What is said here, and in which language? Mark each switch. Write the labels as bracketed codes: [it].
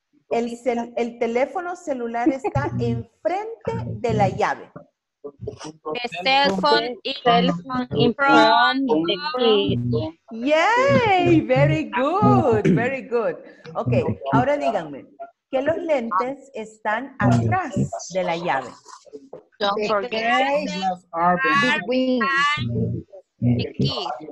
[es] El teléfono celular está enfrente de la llave. [en] The cell phone in front of the key. Yay, very good. Okay, [es] ahora díganme. que los lentes están atrás de la llave. [en] Don't forget the glasses are behind the key.